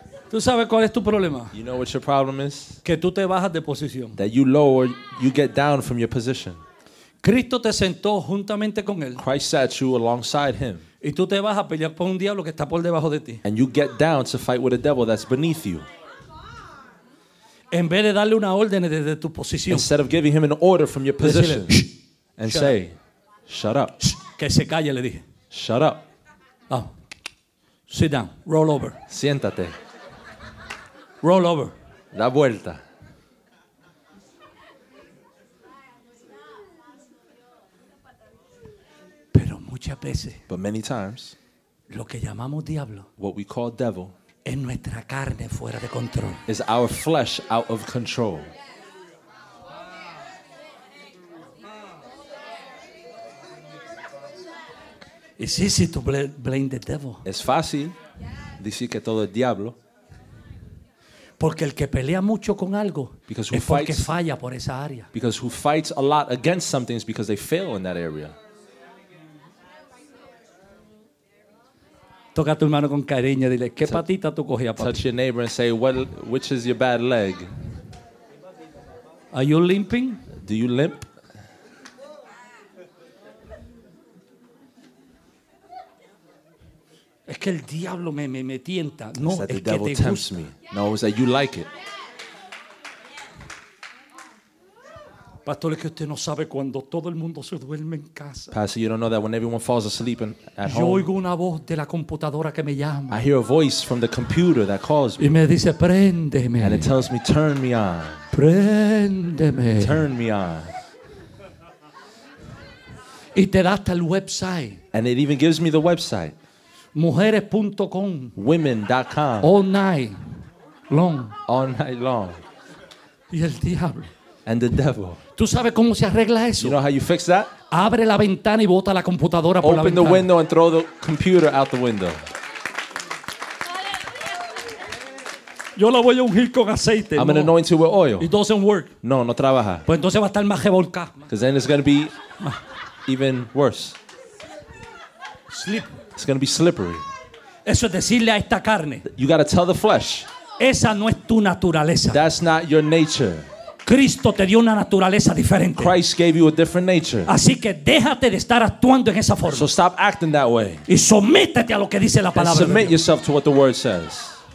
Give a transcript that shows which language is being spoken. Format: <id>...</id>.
<es>¿Tú sabes cuál es tu problema?</es> <en>You know what your problem is?</en> <es>Que tú te bajas de posición.</es> <en>That you lower, you get down from your position.</en> <es>Cristo te sentó juntamente con él.</es> <en>Christ sat you alongside him.</en> <es>Y tú te bajas a pelear con un diablo que está por debajo de ti.</es> <en>And you get down to fight with a devil that's beneath you.</en> <es>En vez de darle una orden desde tu posición.</es> <en>Instead of giving him an order from your position.</en> <es>Decirle, shh,</es> <en>and shut say, up. Shut up.</en> <es>Shh, que se calle, le dije.</es> <en>Shut up. Oh. Sit down. Roll over.</en> <es>Siéntate.</es> <en>Roll over.</en> <es>Da vuelta. Pero muchas veces.</es> <en>But many times.</en> <es>Lo que llamamos diablo.</es> <en>What we call devil.</en> <es>Es nuestra carne fuera de control.</es> <en>Is our flesh out of control. It's easy to blame the devil.</en> <es>Es fácil decir que todo es diablo. Porque el que pelea mucho con algo</es> <en>because</en> <es>es porque falla por esa área.</es> <en>Because who fights a lot against something is because they fail in that area.</en> <es>Toca a tu hermano con cariño, dile qué patita tú cogías.</es> <en>Touch papi? Your neighbor and say, well, which is your bad leg? Are you limping? Do you limp?</en> <es>Es que el diablo me tienta. No,</es> <en>it's that</en> <es>es</es> <en>the devil</en> <es>que te</es> <en>tempts</en> <es>gusta.</es> <en>Me. No, it's that you like it.</en> <es>Pastor, es que usted no sabe cuando todo el mundo se duerme en casa.</es> <en>Pastor, you don't know that when everyone falls asleep in, at home.</en> <es>Yo oigo una voz de la computadora que me llama.</es> <en>I hear a voice from the computer that calls me.</en> <es>Y me dice, préndeme.</es> <en>And it tells me, turn me on.</en> <es>Préndeme.</es> <en>Turn me on.</en> <es>Y te da hasta el website.</es> <en>And it even gives me the website.</en> <es>Mujeres.com.</es> <en>Women.com. All night long. All night long.</en> <es>Y el diablo.</es> <en>And the devil.</en> <es>¿Tú sabes cómo se arregla eso?</es> <en>You know how you fix that?</en> <es>Abre la ventana y bota la computadora por la ventana.</es> <en>Open the window and throw the computer out the window.</en> <es>Yo la voy a ungir con aceite.</es> <en>I'm gonna anoint you with oil. It doesn't work.</en> <es>No, no trabaja. Pues entonces va a estar más revolcada.</es> <en>Because then it's gonna be even worse. Slip. It's gonna be slippery.</en> <es>Eso es decirle a esta carne.</es> <en>You gotta tell the flesh.</en> <es>Esa no es tu naturaleza.</es> <en>That's not your nature.</en> <es>Cristo te dio una naturaleza diferente.</es> <en>Christ gave you a different nature.</en> <es>Así que déjate de estar actuando en esa forma.</es> <en>So stop acting that way.</en> <es>Y sométete a lo que dice la palabra.</es> <en>And submit yourself to what the word says.</en>